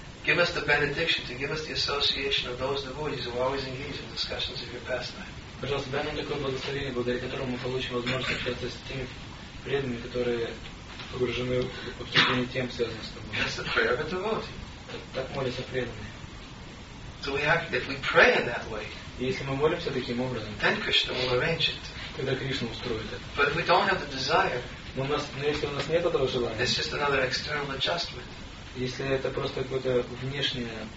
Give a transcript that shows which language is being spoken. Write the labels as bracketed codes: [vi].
[en] Give us the benediction to give us the association of those devotees who are always engaged in discussions of your pastime. [ru] Пожалуйста, дай нам такое благословение, благодаря которому мы получим возможность общаться с теми преданными, которые погружены в обсуждение тем, связанных с тобой. [en] That's the prayer of a devotee. [ru] Так молятся преданные. [en] So we have, if we pray in that way, [ru] если мы молимся таким образом, [en] then Krishna will arrange it. [ru] Тогда Кришна устроит это. [en] But if we don't have the desire, [ru] но если у нас нет этого желания, [en] it's just another external adjustment. [ru] Если это просто какое-то внешнее,